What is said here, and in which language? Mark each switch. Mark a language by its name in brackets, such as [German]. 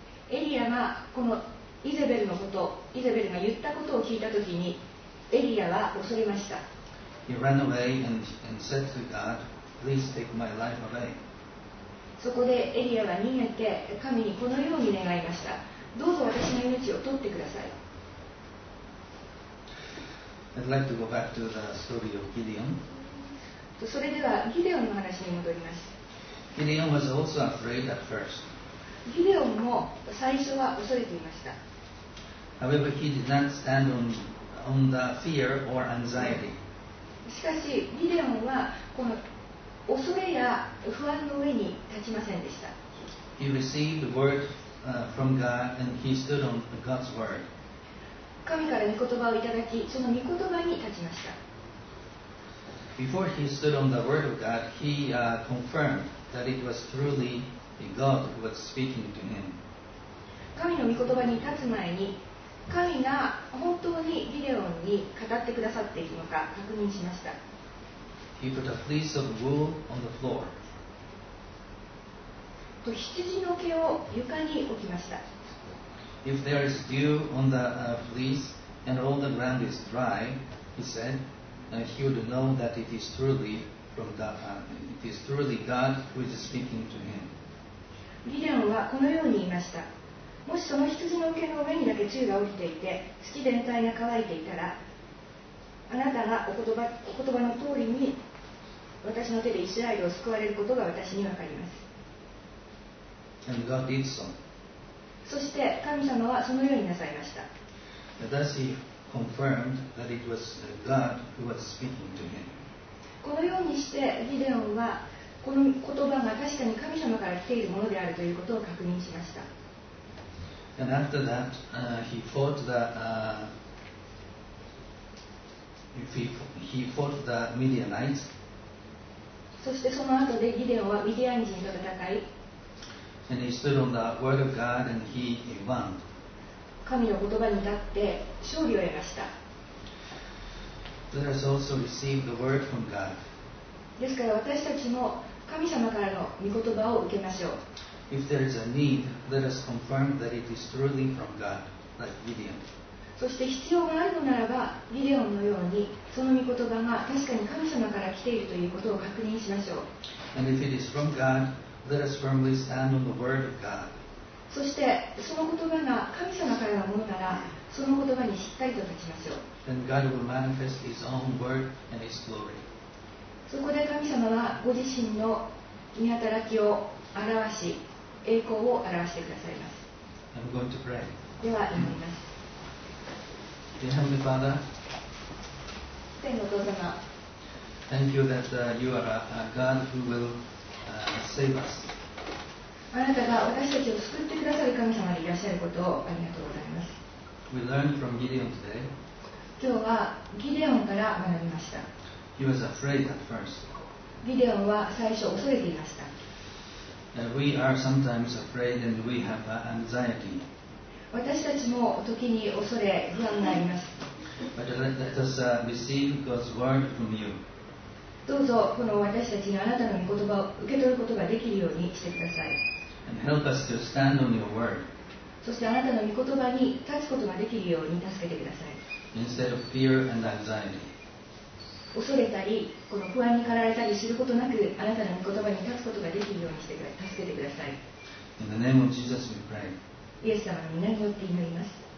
[Japanese] エリアがこのイゼベルのこと、イゼベルが言ったことを聞いたときに、エリアは恐れました。 [English] He ran away and said to God,Please take my life away. [Japanese] そこでエリアは逃げて神にこのように願いました。どうぞ私の命を取ってください。 [English] I'd like to go back to the story of Gideon. [Japanese] それではギデオンの話に戻ります。 [English] Gideon was also afraid at first. [Japanese] ギデオンも最初は恐れていました。 [English] However, he did not stand on the fear or anxiety. [Japanese] しかしギデオンはこの恐れや不安の上に立ちませんでした。 [English] He received word from God and he stood on God's word. [Japanese] 神から御言葉をいただき、その御言葉に立ちました。 [English] Before he stood on the word of God, he confirmed that it was truly God who was speaking to him. [Japanese] 神の御言葉に立つ前に、神が本当にギデオンに語ってくださっているのか確認しました。 [English] He put a fleece of wool on the floor. [Japanese] と羊の毛を床に置きました。 [English] If there is dew on the fleece and all the ground is dry, he said, he would know that it is truly from the it is truly God who is speaking to him. [Japanese] ギデオンはこのように言いました。もしその羊の毛の上にだけ宙が降りていて、月全体が乾いていたら、あなたがお言葉の通りに、私の手でイスラエルを救われることが私にわかります。 [English] And God did so. [Japanese] そして神様はそのようになさいました。 [English] Thus he confirmed that it was God who was speaking to him. [Japanese] このようにしてギデオンは、この言葉が確かに神様から来ているものであるということを確認しました。 [English] And after that, he fought the Midianites. [Japanese] そしてその後でギデオンはミディアン人と戦い。 [English] And he stood on the word of God and he won. [Japanese] 神の言葉に立って勝利を得ました。 [English] Let us also receive the word from God. [Japanese] ですから私たちも神様からの御言葉を受けましょう。 [English] If there is a need, let us confirm that it is truly from God, like Gideon. [Japanese] そして必要があるのならば、ギデオンのようにその御言葉が確かに神様から来ているということを確認しましょう。 [English] And if it is from God, let us firmly stand on the word of God. [Japanese] そしてその言葉が神様からのものなら、その言葉にしっかりと立ちましょう。 [English] Then God will manifest His own word and His glory. [Japanese] そこで神様はご自身の御働きを表し、栄光を表してくださいます。 [English] I'm going to pray. [Japanese] では祈ります。 [English] Dear Heavenly Father, [Japanese] 天のお父様、 [English] Thank you that you are a God who will save us. [Japanese] あなたが私たちを救ってくださる神様でいらっしゃることをありがとうございます。 [English] We learned from Gideon today. [Japanese] 今日はギデオンから学びました。 [English] He was afraid at first. [Japanese] ギデオンは最初恐れていました。 [English] We are sometimes afraid and we have anxiety. [Japanese] 私たちも時に恐れ不安があります。 [English] But let us receive God's word from you. [Japanese] どうぞこの私たちにあなたの御言葉を受け取ることができるようにしてください。 [English] And help us to stand on your word. [Japanese] そしてあなたの御言葉に立つことができるように助けてください。 [English] Instead of fear and anxiety. [Japanese] 恐れたり、この不安に駆られたりすることなく、あなたの御言葉に立つことができるようにして助けてください。 [English] In the name of Jesus, we pray. [Japanese] イエス様の皆によって祈ります。